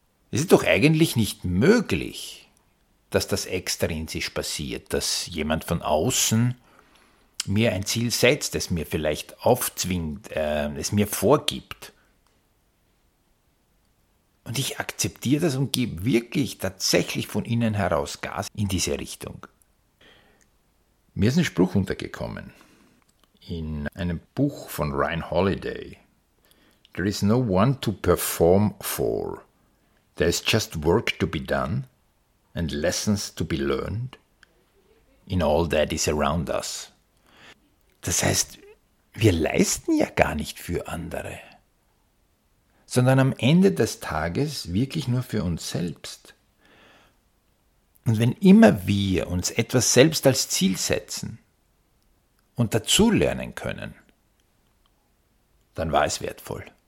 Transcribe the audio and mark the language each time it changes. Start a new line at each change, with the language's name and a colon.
German: Es ist doch eigentlich nicht möglich, dass das extrinsisch passiert, dass jemand von außen mir ein Ziel setzt, es mir vielleicht aufzwingt, es mir vorgibt. Und ich akzeptiere das und gebe wirklich tatsächlich von innen heraus Gas in diese Richtung. Mir ist ein Spruch untergekommen in einem Buch von Ryan Holiday.
English: There is no one to perform for. There is just work to be done and lessons to be learned in all that is around us.
German: Das heißt, wir leisten ja gar nicht für andere, sondern am Ende des Tages wirklich nur für uns selbst. Und wenn immer wir uns etwas selbst als Ziel setzen und dazulernen können, dann war es wertvoll.